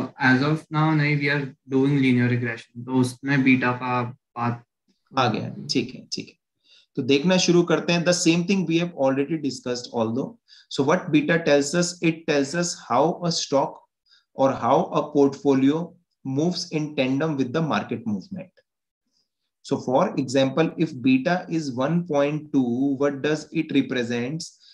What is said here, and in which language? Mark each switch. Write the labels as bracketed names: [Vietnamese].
[English] As of now, [Hindi] नहीं, [English] we are doing linear regression. [Hindi] तो उसमें beta का बात आ गया. ठीक है, ठीक है. तो देखना शुरू करते हैं. [English] The same thing we have already discussed, although. So what beta tells us? It tells us how a stock or how a portfolio moves in tandem with the market movement. So for example, if beta is 1.2, what does it represents?